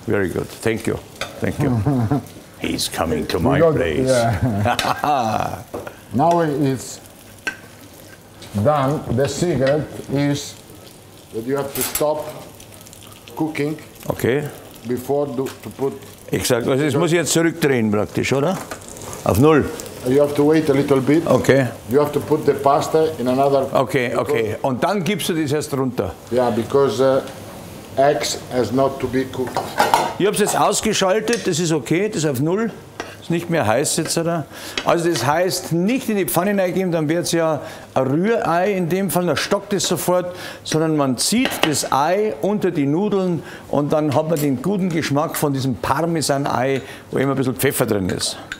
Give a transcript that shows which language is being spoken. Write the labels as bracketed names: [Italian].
[English] Very good. Thank you. Thank you. He's coming to my place. Yeah. Now it's done. The secret is that you have to stop cooking. Okay. Before to put. Exactly. [German] Also, jetzt muss ich jetzt zurückdrehen, praktisch, oder? Auf null. [English] You have to wait a little bit. Okay. You have to put the pasta in another. [German] Okay, okay. Und dann gibst du das erst runter. [English] Yeah, because eggs has not to be cooked. [German] Ich hab's jetzt ausgeschaltet, das ist okay, das ist auf null. Ist nicht mehr heiß jetzt, oder? Also, das heißt, nicht in die Pfanne reingeben, dann wird's ja ein Rührei in dem Fall, dann stockt es sofort, sondern man zieht das Ei unter die Nudeln und dann hat man den guten Geschmack von diesem Parmesan-Ei, wo immer ein bisschen Pfeffer drin ist.